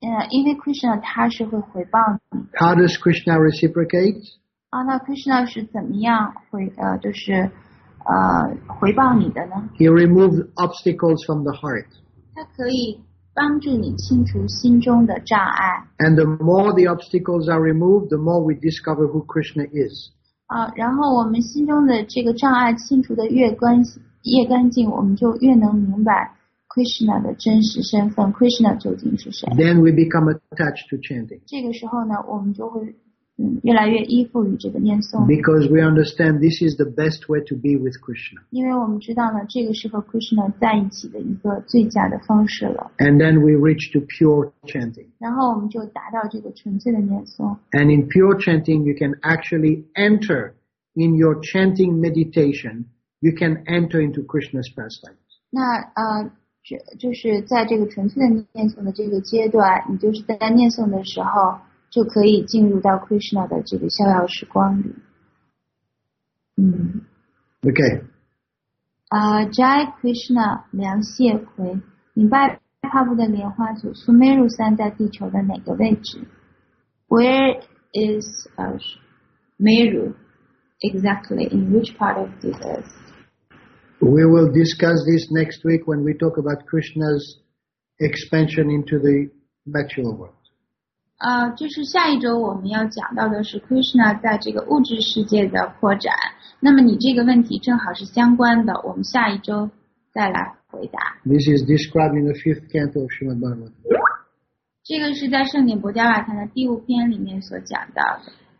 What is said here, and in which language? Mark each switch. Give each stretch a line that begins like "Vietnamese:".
Chinese: 因为 Krishna 他是会回报你。
English: How does Krishna reciprocate?
Chinese: 那 Krishna 是怎么样回报你的呢？
English: He removes obstacles from the heart.
Chinese: 他可以帮助你清除心中的障碍。
English: And the more the obstacles are removed, the more we discover who Krishna is.
Chinese: 然后我们心中的这个障碍清除的越干净，我们就越能明白。 Krishna 的真实身份 ，Krishna 究竟是谁
English: ？Then we become attached to chanting.
Chinese: 这个时候呢，我们就会越来越依附于这个念诵。
English: Because we understand this is the best way to be with Krishna.
Chinese: 因为我们知道呢，这个是和 Krishna 在一起的一个最佳的方式了。
English: And then we reach to pure chanting.
Chinese: 然后我们就达到这个纯粹的念诵。
English: And in pure chanting, you can actually enter in your chanting meditation. You can enter into Krishna's pastime.
Chinese: 那就是在这个纯粹的念诵的这个阶段，你就是在念诵的时候就可以进入到 Krishna 的这个逍遥时光里。
English: OK。
Chinese: Jai Krishna 梁谢奎，你拜帕布的莲花组 Sumeru 三在地球的哪个位置？
English: Where is Meru exactly? In which part of the earth? We will discuss this next week when we talk about Krishna's expansion into the material world.
Chinese: 就是下一周我们要讲到的是 Krishna 在这个物质世界的扩展。那么你这个问题正好是相关的，我们下一周再来回答。
English: This is described in the fifth canto of Srimad Bhagavatam.
Chinese: 这个是在圣典伯加瓦坦的第五篇里面所讲到的。